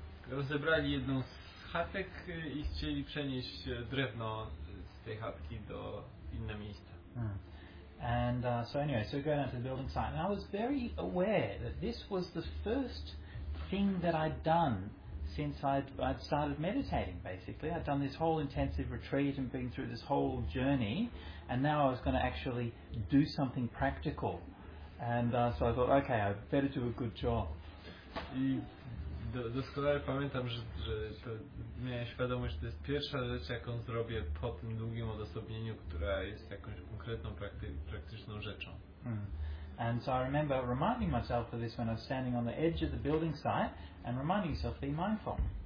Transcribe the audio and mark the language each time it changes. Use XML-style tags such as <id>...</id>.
<pl>Rozebrali jedną z chatek i chcieli przenieść drewno z tej chatki do inne miejsca.</pl> <en>And so we go down to the building site, and I was very aware that this was the first thing that I'd done since I'd started meditating, basically. I'd done this whole intensive retreat and been through this whole journey, and now I was going to actually do something practical. And so I thought, okay, I better do a good job.</en> <pl>I doskonale pamiętam, że to miałem świadomość, że to jest pierwsza rzecz, jaką zrobię po tym długim odosobnieniu, która jest jakąś konkretną praktyczną rzeczą.</pl> <en>And so I remember reminding myself of this when I was standing on the edge of the building site and reminding myself to be mindful.</en>